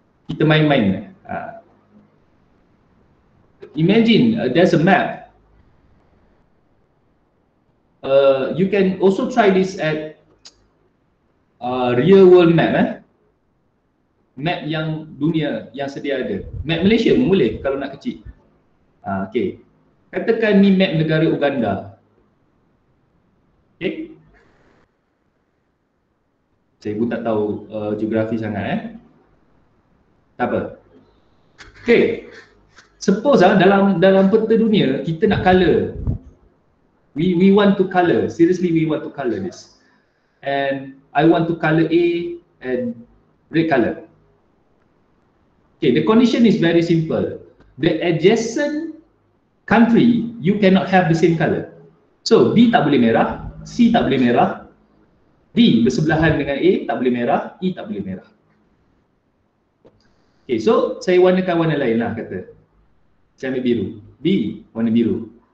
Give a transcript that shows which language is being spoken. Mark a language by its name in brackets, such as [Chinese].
[Malay] Kita main-main. [English] Imagine there's a map. You can also try this at real world map. [Malay] Map yang dunia yang sedia ada. Map Malaysia pun boleh kalau nak kecil. Okay. Katakan ni map negara Uganda. [English] Okay. [Malay] Saya pun tak tahu geografi sangat eh. Tak apa. Okay. Suppose dalam peta dunia kita nak color. [English] We want to color. Seriously, we want to color this. And I want to color A and red color. Okay, the condition is very simple. The adjacent country, you cannot have the same color. [Malay] So B tak boleh merah, C tak boleh merah, D bersebelahan dengan A tak boleh merah, E tak boleh merah. Okay, so saya warnakan warna lain lah kata. Saya ambil biru. B warna biru.